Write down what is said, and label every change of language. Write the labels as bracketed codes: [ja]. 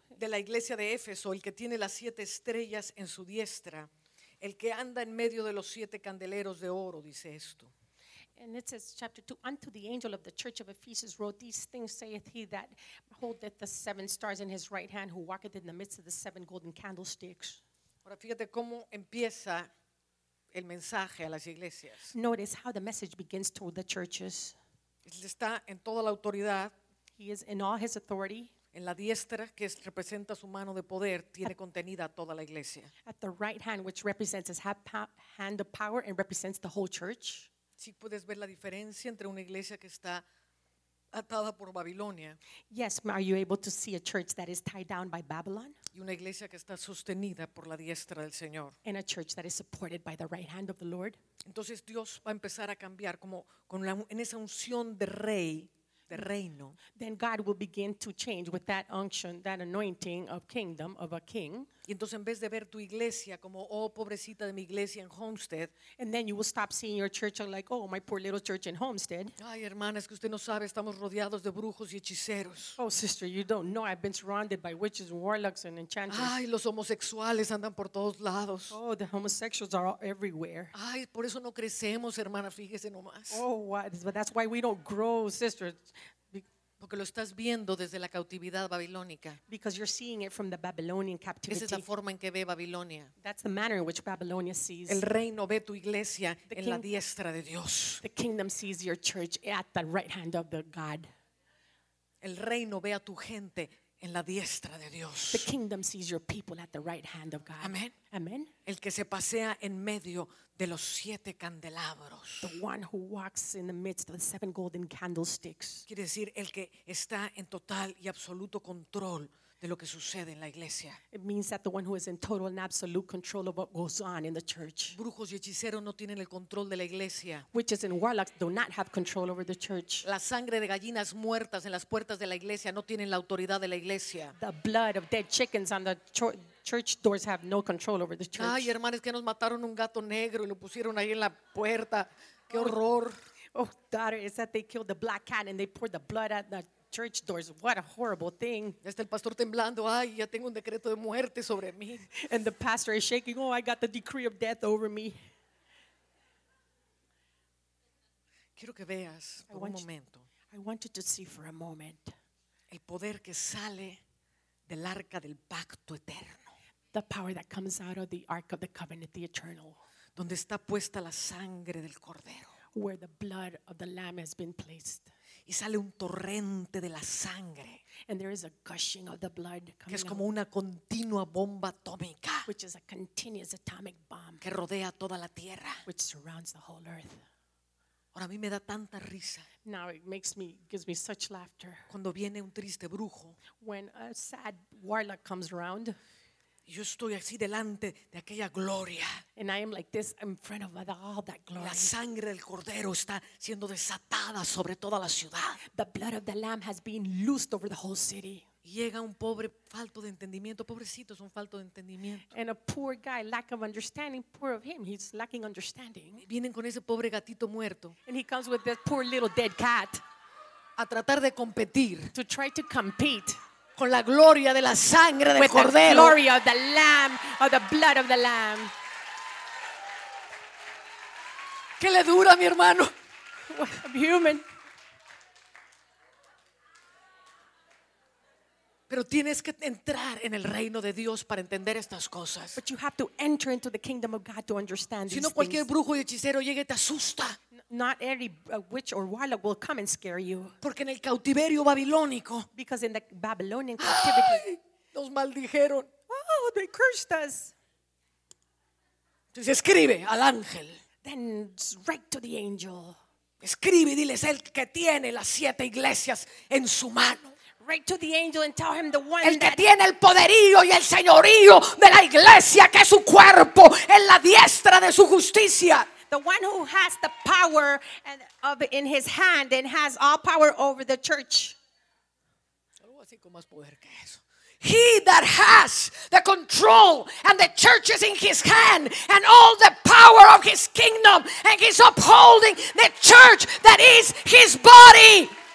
[es] de la iglesia de Éfeso, el que tiene las siete estrellas en su diestra, el que anda en medio de los siete candeleros de oro, dice esto. [en] And it says, chapter 2, unto the angel of the church of Ephesus wrote, these things saith he that holdeth the seven stars in his right hand, who walketh in the midst of the seven golden candlesticks. [es] Ahora fíjate cómo empieza el mensaje a las iglesias. [en] Notice how the message begins to the churches. [es] Él está en toda la autoridad. [en] He is in all his authority. [es] En la diestra, que es, representa su mano de poder, tiene contenida toda la iglesia. [en] At the right hand, which represents his hand of power and represents the whole church. [es] Si puedes ver la diferencia entre una iglesia que está atada por Babilonia. [en] Yes, are you able to see a church that is tied down by Babylon? [es] Y una iglesia que está sostenida por la diestra del Señor. [en] And a church that is supported by the right hand of the Lord. [es] Entonces Dios va a empezar a cambiar como con la, en esa unción de rey, de reino. [en] Then God will begin to change with that unction, that anointing of kingdom, of a king. [es] Y entonces en vez de ver tu iglesia como, oh, pobrecita de mi iglesia en Homestead. [en] And then you will stop seeing your church like, oh, my poor little church in Homestead. [es] Ay, hermana, es que usted no sabe, estamos rodeados de brujos y hechiceros. [en] Oh, sister, you don't know, I've been surrounded by witches, warlocks, and enchanters. [es] Ay, los homosexuales andan por todos lados. [en] Oh, the homosexuals are everywhere. [es] Ay, por eso no crecemos, hermana, fíjese nomás. [en] Oh, what? But that's why we don't grow, sister. [es] Porque lo estás viendo desde la cautividad babilónica. [en] Because you're seeing it from the Babylonian captivity. [es] Esa es la forma en que ve Babilonia. [en] That's the manner in which Babylonia sees. [es] El reino ve tu iglesia en la diestra de Dios. [en] The kingdom sees your church at the right hand of the God. [es] El reino ve a tu gente en la diestra de Dios. [en] The kingdom sees your people at the right hand of God. [es] Amen. [en] Amen. [es] El que se pasea en medio de los siete candelabros. [en] The one who walks in the midst of the seven golden candlesticks. [es] Quiere decir el que está en total y absoluto control de lo que sucede en la iglesia. [en] It means that the one who is in total and absolute control of what goes on in the church. [es] Brujos y hechiceros no tienen el control de la iglesia. [en] Witches and warlocks do not have control over the church. [es] La sangre de gallinas muertas en las puertas de la iglesia no tienen la autoridad de la iglesia. [en] The blood of dead chickens on the church doors have no control over the church. [es] Ay, hermanos, que nos mataron un gato negro y lo pusieron ahí en la puerta. Qué horror. [en] Oh, daughter, it's that they killed the black cat and they poured the blood at the church doors. What a horrible thing. [es] Está el pastor temblando. Ay, ya tengo un decreto de muerte sobre mí. [en] And the pastor is shaking. Oh, I got the decree of death over me. [es] Quiero que veas por un momento. [en] I want you to see for a moment. [es] El poder que sale del arca del pacto eterno. [en] The power that comes out of the ark of the covenant, the eternal. [es] Donde está puesta la sangre del cordero. [en] Where the blood of the lamb has been placed. [es] Y sale un torrente de la sangre. [en] And there is a gushing of the blood coming [es] que es como una continua bomba atómica. [en] Which is a continuous atomic bomb. [es] Que rodea toda la tierra. [en] Which surrounds the whole earth. [es] Ahora a mí me da tanta risa. [en] Now it makes me, gives me such laughter. [es] Cuando viene un triste brujo. [en] When a sad warlock comes around. [es] Yo estoy así delante de aquella gloria. [en] And I am like this in front of all that glory. [es] La sangre del cordero está siendo desatada sobre toda la ciudad. [en] The blood of the lamb has been loosed over the whole city. [es] Llega un pobre falto de entendimiento. Pobrecito, es un falto de entendimiento. [en] And a poor guy, lack of understanding. Poor of him, he's lacking understanding. [es] Vienen con ese pobre gatito muerto. [en] And he comes with this poor little dead cat. [es] A tratar de competir. [en] To try to compete. [es] Con la gloria de la sangre del cordero. [en] With the glory of the lamb, of the blood of the lamb. [es] ¿Qué le dura, mi hermano? [en] I'm human. [es] Pero tienes que entrar en el reino de Dios para entender estas cosas. [en] But you have to enter into the kingdom of God to understand these [es] Si no, cualquier brujo y hechicero llega y te asusta. [en] Not every witch or warlock will come and scare you. [es] Porque en el cautiverio babilónico. [en] Because in the Babylonian captivity. [es] Ay, nos maldijeron. [en] Oh, they cursed us. [es] Entonces escribe al ángel. [en] Then write to the angel. [es] Escribe y diles el que tiene las siete iglesias en su mano. [en] Write to the angel and tell him the one [es] el que tiene el poderío y el señorío de la iglesia que es su cuerpo en la diestra de su justicia. [en] The one who has the power and of in his hand and has all power over the church. [es] Algo así con más poder que eso. [en] He that has the control and the church is in his hand and all the power of his kingdom and he's upholding the church that is his body.